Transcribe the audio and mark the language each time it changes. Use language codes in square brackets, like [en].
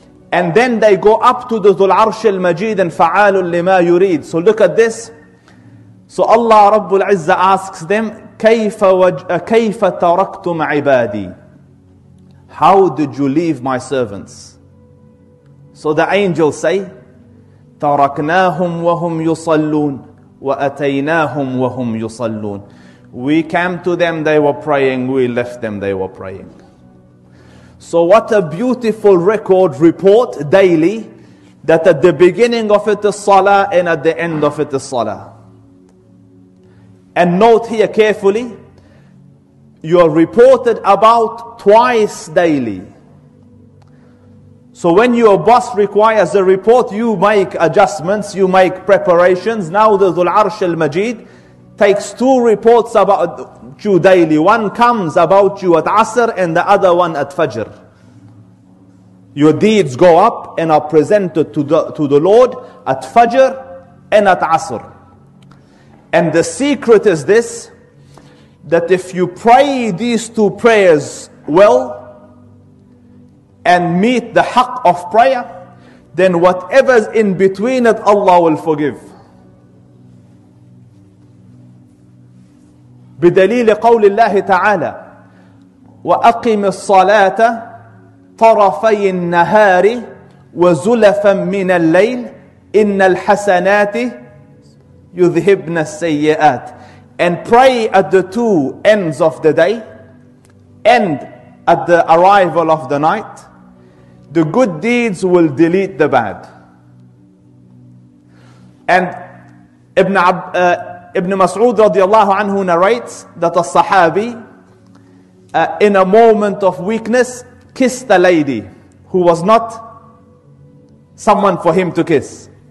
[en] And then they go up to the [ar] ذُو الْعَرْشِ الْمَجِيدِ [en] and [ar] فَعَالٌ لِمَا يُرِيدٍ. [en] So look at this. So Allah Rabbul Izzah asks them, [ar] كَيْفَ تَرَكْتُمْ عِبَادِي. [en] How did you leave my servants? So the angels say, [ar] تَرَكْنَاهُمْ وَهُمْ يُصَلُّونَ وَأَتَيْنَاهُمْ وَهُمْ يُصَلُّونَ. [en] We came to them, they were praying. We left them, they were praying. So what a beautiful record report daily, that at the beginning of it is salah, and at the end of it is salah. And note here carefully, you are reported about twice daily. So when your boss requires a report, you make adjustments, you make preparations. Now the Dhul Arsh al-Majid takes two reports about you daily. One comes about you at Asr, and the other one at Fajr. Your deeds go up and are presented to the Lord at Fajr and at Asr. And the secret is this, that if you pray these two prayers well and meet the haqq of prayer, then whatever's in between it, Allah will forgive. [ar] بدليل قول الله تعالى وأقم الصلاة طرفي النهار وزلفا من الليل إن الحسنات يُذْهِبْنَ السَّيِّئَاتِ. [en] And pray at the two ends of the day and at the arrival of the night. The good deeds will delete the bad. And Ibn Mas'ud radiallahu anhu narrates that a sahabi in a moment of weakness kissed a lady who was not someone for him to kiss.